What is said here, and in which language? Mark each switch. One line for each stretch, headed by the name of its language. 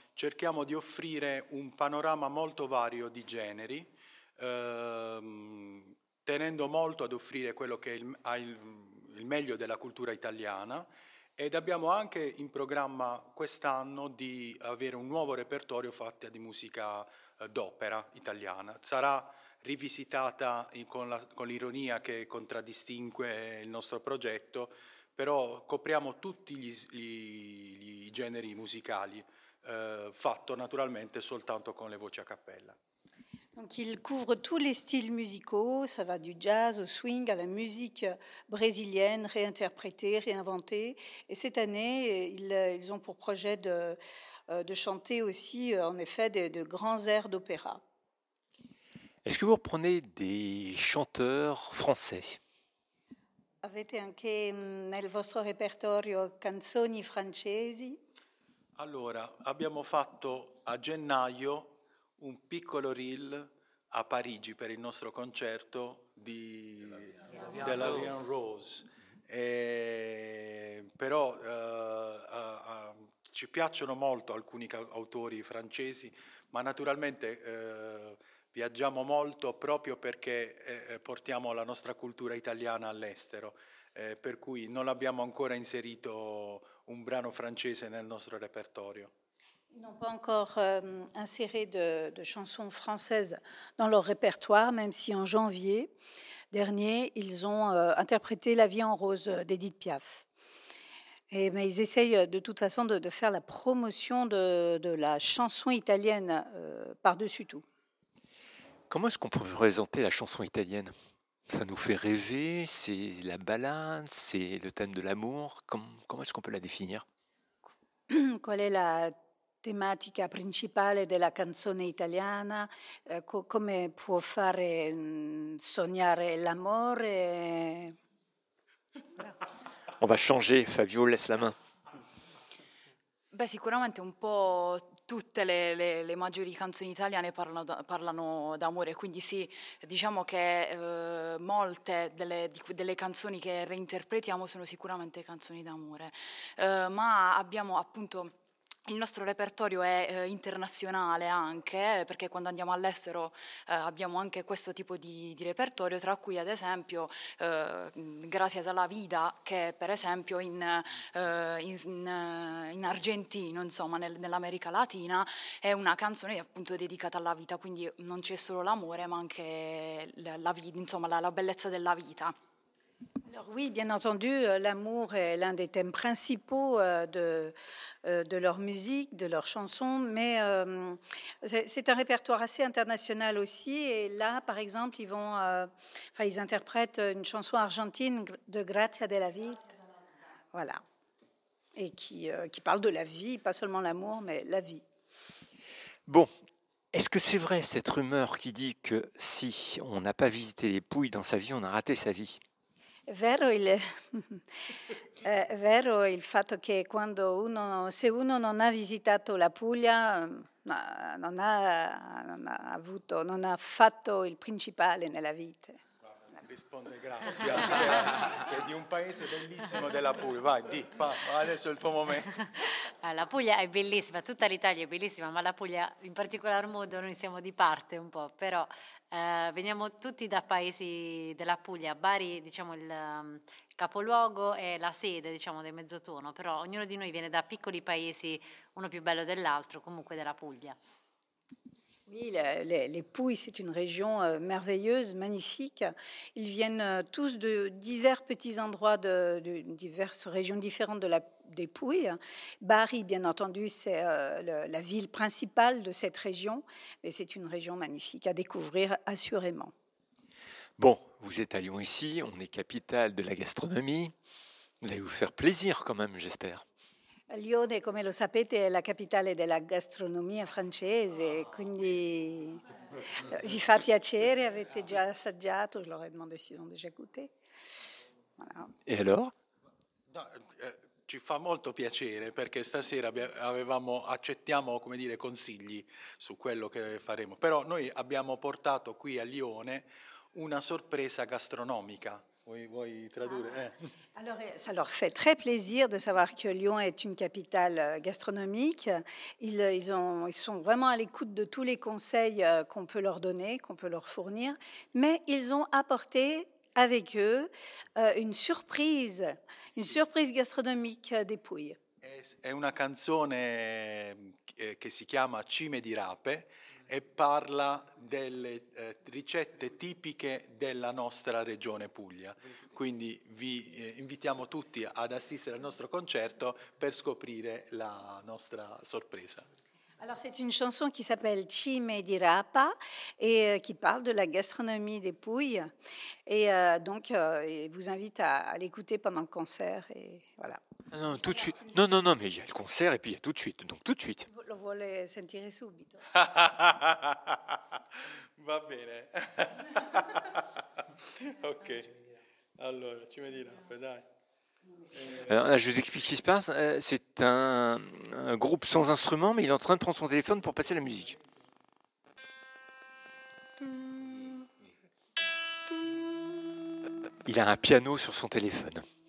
Italian: Cerchiamo di offrire un panorama molto vario di generi, tenendo molto ad offrire quello che ha il meglio della cultura italiana, ed abbiamo anche in programma quest'anno di avere un nuovo repertorio fatto di musica d'opera italiana. Sarà rivisitata con l'ironia che contraddistingue il nostro progetto, però copriamo tutti gli generi musicali, fatto naturalmente soltanto con le voci a cappella.
French: Donc il couvre tous les styles musicaux, ça va du jazz au swing, à la musique brésilienne réinterprétée, réinventée. Et cette année, ils ont pour projet de chanter aussi, en effet, de grands airs d'opéra. Est-ce que vous reprenez des chanteurs français?
Italian: Avete anche nel vostro repertorio canzoni francesi? Allora, abbiamo fatto a gennaio un piccolo reel a Parigi per il nostro concerto di della Vian Rose. Però ci piacciono molto alcuni autori francesi, ma naturalmente viaggiamo molto proprio perché portiamo la nostra cultura italiana all'estero, per cui non abbiamo ancora inserito un brano francese nel nostro repertorio.
French: N'ont pas encore inséré de chansons françaises dans leur répertoire, même si en janvier dernier, ils ont interprété La vie en rose d'Edith Piaf. Et, mais ils essayent de toute façon de faire la promotion de la chanson italienne par-dessus tout. Comment est-ce qu'on peut présenter la chanson italienne ? Ça nous fait rêver, c'est la ballade, c'est le thème de l'amour. Comment est-ce qu'on peut la définir ? Quelle est la
Italian: tematica principale della canzone italiana, come può fare sognare l'amore?
French: On va changer, Fabio, laisse la main.
Italian: Beh, sicuramente un po' tutte le maggiori canzoni italiane parlano d'amore, quindi sì, diciamo che molte delle canzoni che reinterpretiamo sono sicuramente canzoni d'amore, ma abbiamo appunto... Il nostro repertorio è internazionale anche, perché quando andiamo all'estero abbiamo anche questo tipo di repertorio, tra cui ad esempio Gracias a la Vida, che per esempio in argentino, insomma, nell'America Latina, è una canzone appunto dedicata alla vita, quindi non c'è solo l'amore, ma anche la vita, insomma, la bellezza della vita.
French: Alors oui, bien entendu, l'amour est l'un des thèmes principaux de leur musique, de leurs chansons, mais c'est un répertoire assez international aussi. Et là, par exemple, ils interprètent une chanson argentine de Gracia de la Vida, voilà, et qui parle de la vie, pas seulement l'amour, mais la vie. Bon, est-ce que c'est vrai cette rumeur qui dit que si on n'a pas visité les Pouilles dans sa vie, on a raté sa vie ?
Italian: È vero il fatto che quando uno, se uno non ha visitato la Puglia, non ha fatto il principale nella vita. Risponde grazie, che è di un paese bellissimo della Puglia. Vai, adesso è il tuo momento. La Puglia è bellissima, tutta l'Italia è bellissima, ma la Puglia in particolar modo noi siamo di parte un po', però veniamo tutti da paesi della Puglia. Bari, diciamo, il capoluogo è la sede, diciamo, del Mezzotono, però ognuno di noi viene da piccoli paesi, uno più bello dell'altro, comunque della Puglia.
French: Oui, les Pouilles, c'est une région merveilleuse, magnifique. Ils viennent tous de divers petits endroits, de diverses régions différentes des Pouilles. Bari, bien entendu, c'est la ville principale de cette région. Et c'est une région magnifique à découvrir, assurément. Bon, vous êtes à Lyon ici, on est capitale de la gastronomie. Vous allez vous faire plaisir quand même, j'espère.
Italian: Lione, come lo sapete, è la capitale della gastronomia francese, quindi vi fa piacere, avete già assaggiato,
French: je leur ai demandé s'ils ont déjà goûté. Voilà.
Italian: E allora? No, ci fa molto piacere, perché stasera accettiamo, come dire, consigli su quello che faremo. Però noi abbiamo portato qui a Lione una sorpresa gastronomica. Vuoi tradurre?
French: Allora, ça leur fait très plaisir de savoir que Lyon est une capitale gastronomique. Ils sont vraiment à l'écoute de tous les conseils qu'on peut leur donner, qu'on peut leur fournir. Mais ils ont apporté avec eux une surprise gastronomique des Pouilles.
Italian: È una canzone che si chiama Cime di Rape e parla delle ricette tipiche della nostra regione Puglia. Quindi vi invitiamo tutti ad assistere al nostro concerto per scoprire la nostra sorpresa.
French: Alors c'est une chanson qui s'appelle Cime di Rapa et qui parle de la gastronomie des Pouilles et donc vous invite à l'écouter pendant le concert et voilà. Non, tout de suite. Non, mais il y a le concert et puis il y a tout de suite. Donc tout de suite.
Italian: Lo vuole sentire subito. Va bene. OK. Allora, Cime di Rapa, dai.
French: Je vous explique ce qui se passe. C'est un groupe sans instrument, mais il est en train de prendre son téléphone pour passer la musique. Il a un piano sur son téléphone.